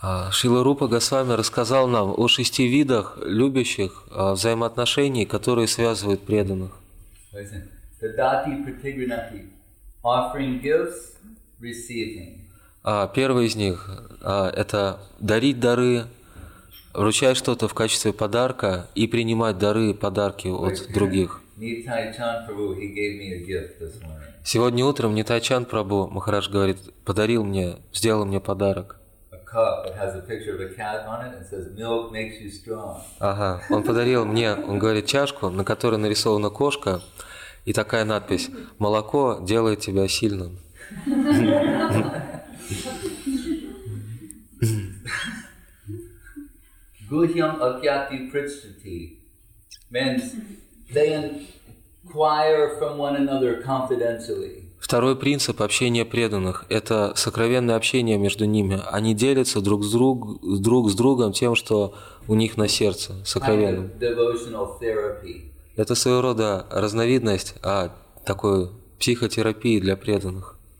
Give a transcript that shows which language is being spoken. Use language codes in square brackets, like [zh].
[ru] Шрила Рупа Госвами рассказал нам о шести видах любящих взаимоотношений, которые связывают преданных. [sa] Dadati pratigranati, [en] offering gifts, receiving. [ru] Первый из них это дарить дары, вручать что-то в качестве подарка и принимать дары и подарки от других. [en] Nitai Chan Prabhu, he gave me a gift this morning. [ru] Сегодня утром Nitai Chan Prabhu Махарадж говорит, подарил мне, сделал мне подарок. [en] A cup that has a picture of a cat on it and says, "Milk makes you strong." [ru] Он подарил мне, он говорит, чашку, на которой нарисована кошка. И такая надпись: «Молоко делает тебя сильным». [sa] Guhyam akyati prichtati [en] means they inquire from one another confidentially. [ru] Второй принцип общения преданных – это сокровенное общение между ними. Они делятся друг с другом тем, что у них на сердце, сокровенным. [en] Devotional therapy. [ru] Это своего рода разновидность такой психотерапии для преданных.